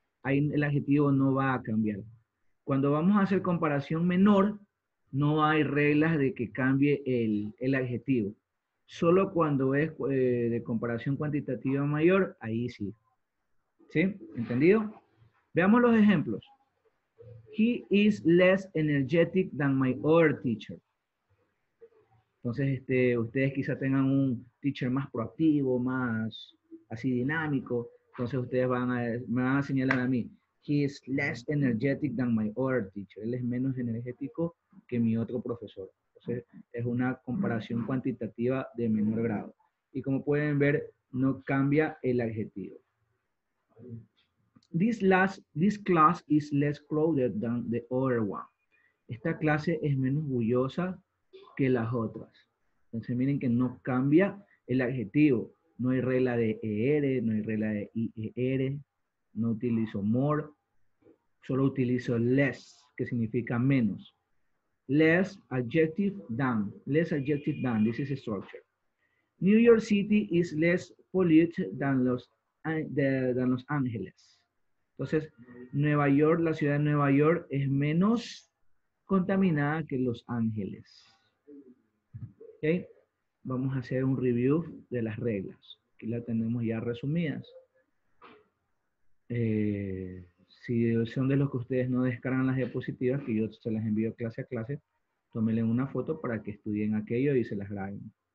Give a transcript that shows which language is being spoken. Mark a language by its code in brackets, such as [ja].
[es] Ahí el adjetivo no va a cambiar. Cuando vamos a hacer comparación menor, no hay reglas de que cambie el adjetivo. Solo cuando es de comparación cuantitativa mayor, ahí sí. ¿Sí? ¿Entendido? Veamos los ejemplos. [en] He is less energetic than my other teacher. [es] Entonces, ustedes quizá tengan un teacher más proactivo, más así dinámico. Entonces, ustedes me van a señalar a mí. [en] He is less energetic than my other teacher. [es] Él es menos energético que mi otro profesor. Entonces, es una comparación cuantitativa de menor grado. Y como pueden ver, no cambia el adjetivo. [en] This class is less crowded than the other one. [es] Esta clase es menos bullosa que las otras. Entonces miren que no cambia el adjetivo. No hay regla de ER, no hay regla de IER, no utilizo more, solo utilizo less, que significa menos. [en] Less adjective than. Less adjective than. This is a structure. New York City is less polluted than Los Ángeles. [es] Entonces, Nueva York, la ciudad de Nueva York, es menos contaminada que Los Ángeles. ¿Okay? Vamos a hacer un review de las reglas. Aquí la tenemos ya resumidas. Si son de los que ustedes no descargan las diapositivas, que yo se las envío clase a clase, tómenle una foto para que estudien aquello y se las graben.